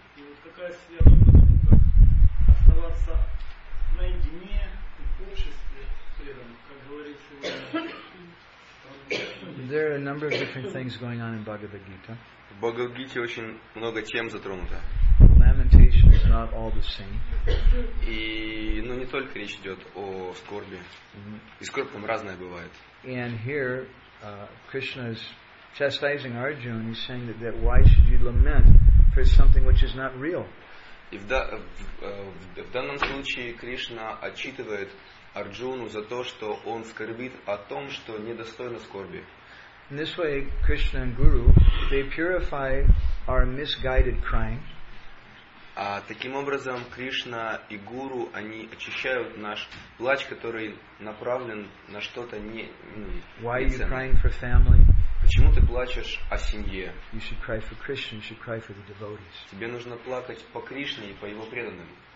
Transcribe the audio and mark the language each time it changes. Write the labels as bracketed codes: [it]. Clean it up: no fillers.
[ru] И вот какая связь между тем, как оставаться наедине и в обществе преданных, как говорится. [en] There are a number of different things going on in Bhagavad Gita. [ru] В Бхагавад Гите очень много тем затронуто. [en] Lamentation is not all the same. [ru] И, ну, не только речь идет о скорби. И скорбь там разная бывает. [en] And here Krishna is chastising Arjuna, he's saying that why should you lament for something which is not real? [ru] В данном случае Кришна отчитывает Арджуну за то, что он скорбит о том, что недостойно скорби. [en] In this way, Krishna and Guru, they purify our misguided crying. [ru] А таким образом Кришна и Гуру, они очищают наш плач, который направлен на что-то не. [en] Why are you crying for family? [ru] Почему ты плачешь о семье? [en] You should cry for Krishna, you should cry for the devotees. [ru] Тебе нужно плакать по Кришне и по его преданным.